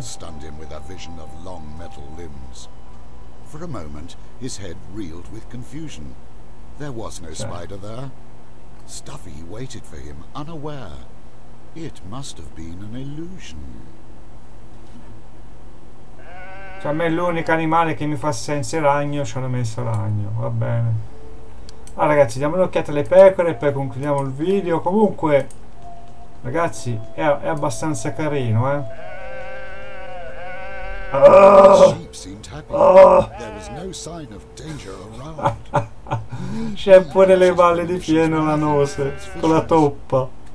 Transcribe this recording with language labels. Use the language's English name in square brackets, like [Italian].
[English] Stunned him with a vision of long metal limbs. For a moment his head reeled with confusion. There was no spider there. Stuffy waited for him, unaware. It must have been an illusion. [Italian] Cioè, a me l'unico animale che mi fa senso è ragno, ci hanno messo ragno, va bene. Allora ragazzi, diamo un'occhiata alle pecore e poi concludiamo il video. Comunque, ragazzi, è abbastanza carino, eh. [English] There was no sign of danger around. [Italian] C'è pure le valle di fieno lanose con la toppa.